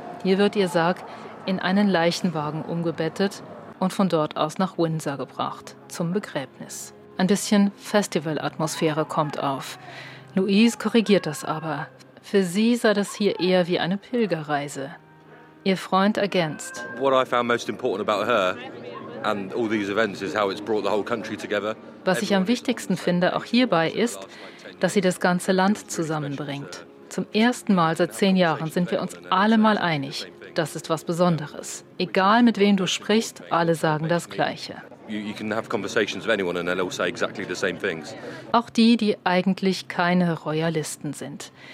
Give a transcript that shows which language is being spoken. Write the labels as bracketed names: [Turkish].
[German] Hier wird ihr Sarg in einen Leichenwagen umgebettet und von dort aus nach Windsor gebracht, zum Begräbnis. Ein bisschen Festivalatmosphäre kommt auf. Louise korrigiert das aber. Für sie sei das hier eher wie eine Pilgerreise. Ihr Freund ergänzt: [English] What I found most important about her and all these events is how it's brought the whole country together. [German] Was ich am wichtigsten finde, auch hierbei, ist, dass sie das ganze Land zusammenbringt. Zum ersten Mal seit 10 Jahren sind wir uns alle mal einig. Das ist was Besonderes. Egal mit wem du sprichst, alle sagen das Gleiche. Auch die, die eigentlich keine Royalisten sind.